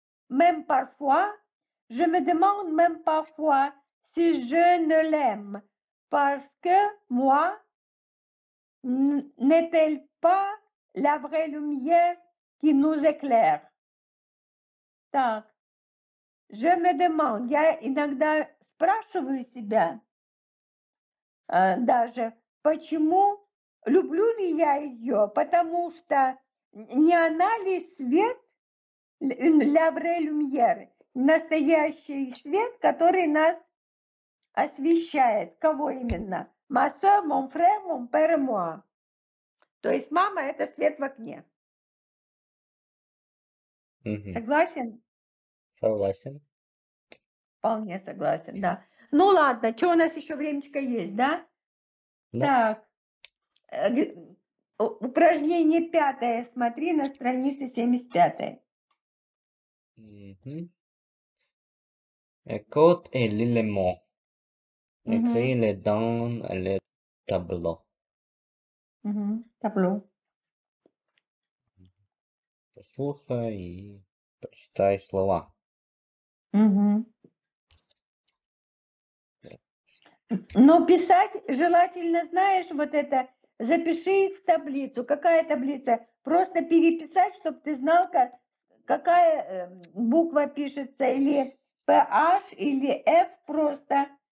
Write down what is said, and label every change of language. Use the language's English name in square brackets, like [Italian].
[French] Même parfois, je me demande même parfois si je ne l'aime, parce que moi, n'est-elle pas la vraie lumière qui nous éclaire? [Russian] Так. [French] Je me demande, [Russian] я иногда спрашиваю себя, даже, почему люблю ли я ее, потому что не она ли свет, ля вре люмьер, настоящий свет, который нас освещает, кого именно? [French] Ma soeur, mon frère, mon père, moi. [Russian] То есть мама – это свет в окне. Согласен? Согласен. Вполне согласен, да. Ну ладно, что у нас еще времечко есть, да? Да. Так, упражнение пятое, смотри на странице 75. [French] Écoute et lis les mots. Écris-les dans le tableau. [Russian] Табло. Послушай и прочитай слова. Но писать желательно, знаешь, вот это, запиши их в таблицу. Какая таблица? Просто переписать, чтобы ты знал, какая буква пишется, или PH, или F просто.